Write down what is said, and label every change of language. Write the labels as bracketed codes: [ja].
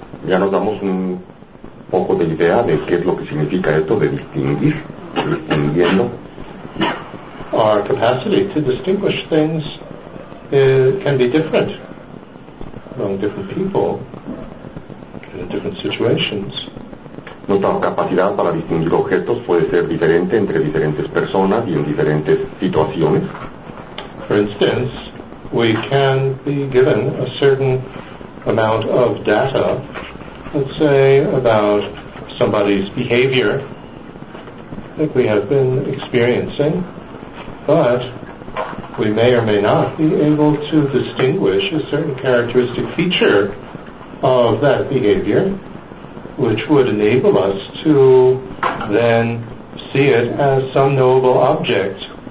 [es] Ya nos damos un poco de idea de qué es lo que significa esto de distinguir, distinguiendo. [en] Our capacity to distinguish things can be different among different people. Different situations. [es] Nuestra capacidad para distinguir objetos puede ser diferente entre diferentes personas y en diferentes situaciones. [en] For instance, we can be given a certain amount of data, let's say, about somebody's behavior that we have been experiencing, but we may or may not be able to distinguish a certain characteristic feature of that behavior, which would enable us to then see it as some knowable object.